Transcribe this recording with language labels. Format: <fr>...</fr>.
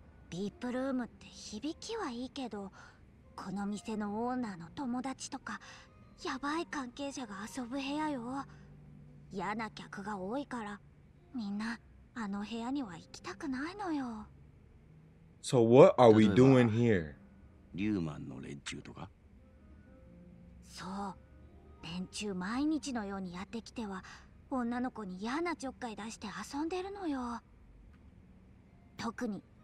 <ja>VIP room って響きはいいけど、この店のオーナーの友達とか、やばい関係者が遊ぶ部屋よ。嫌な客が多いから、みんなあの部屋には行きたくないのよ。</ja> <en>So what are we doing here?</en> <ja>リューマンの連中とか？そう。連中毎日のようにやってきては、女の子に嫌なちょっかい出して遊んでるのよ。特に。</ja>